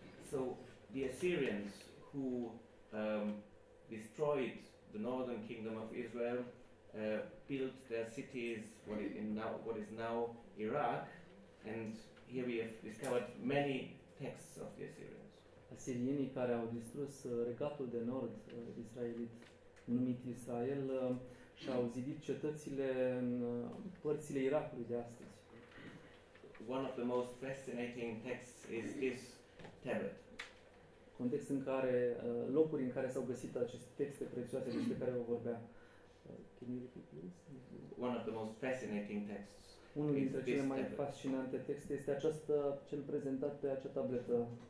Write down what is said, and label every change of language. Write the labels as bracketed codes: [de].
[en] So the Assyrians who destroyed the northern kingdom of Israel, built their cities what is now Iraq, and here we have discovered many texts of the Assyrians. [ro] Asirienii care au distrus regatul de nord israelit numit Israel și au zidit cetățile în părțile Irakului de astăzi. [en] One of the most fascinating texts is this tablet. [ro] Context în care, locuri în care s-au găsit aceste texte prețioase despre care vă vorbeam. [en] Can you repeat, please? One of the most fascinating texts. [ro] Unul dintre cele mai fascinante texte este această, cel prezentat pe acea tabletă.